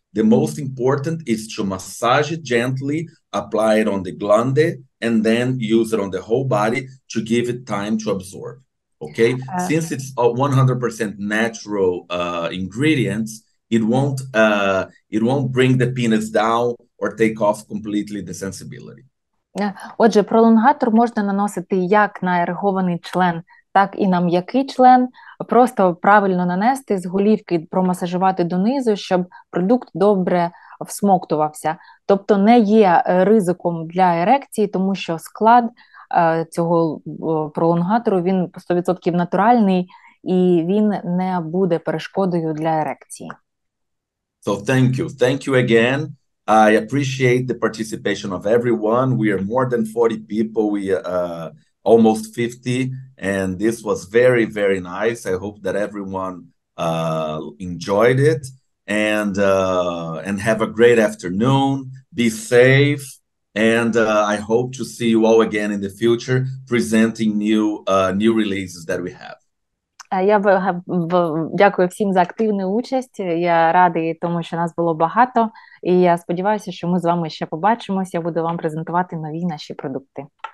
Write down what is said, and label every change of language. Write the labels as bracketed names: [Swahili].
[English] The most important is to massage it gently, apply it on the glande, and then use it on the whole body to give it time to absorb. Okay, since it's a 100% natural ingredients, it won't bring the penis down or take off completely the sensibility. [Ukrainian] Отже, пролонгатор можна наносити як на ерегований член, так і на м'який член. Просто правильно нанести з голівки, промасажувати донизу, щоб продукт добре всмоктувався. Тобто не є ризиком для ерекції, тому що склад цього пролонгатору, він 100% натуральний, і він не буде перешкодою для ерекції. [English] So thank you again. I appreciate the participation of everyone. We are more than 40 people, we almost 50, and this was very, very nice. I hope that everyone enjoyed it, and have a great afternoon, be safe, and I hope to see you all again in the future, presenting new releases that we have. [Ukrainian] Я дякую всім за активну участь. Я радий тому, що нас було багато. І я сподіваюся, що ми з вами ще побачимось. Я буду вам презентувати нові наші продукти.